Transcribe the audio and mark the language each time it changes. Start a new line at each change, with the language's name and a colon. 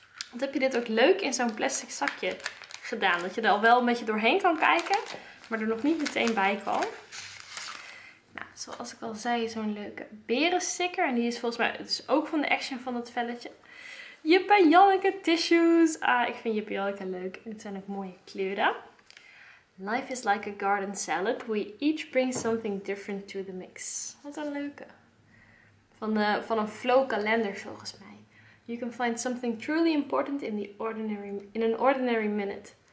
Dutch: Want heb je dit ook leuk in zo'n plastic zakje gedaan. Dat je er al wel een beetje doorheen kan kijken, maar er nog niet meteen bij kan. Nou, zoals ik al zei, zo'n leuke berensticker. En die is volgens mij dus ook van de Action van dat velletje. Jippe Janneke tissues. Ah, ik vind Jippe Janneke leuk. Het zijn ook mooie kleuren.
English: Life is like a garden salad. We each bring something different to the mix.
Dutch: Wat een leuke. Van een flow kalender volgens mij.
English: You can find something truly important in an ordinary minute.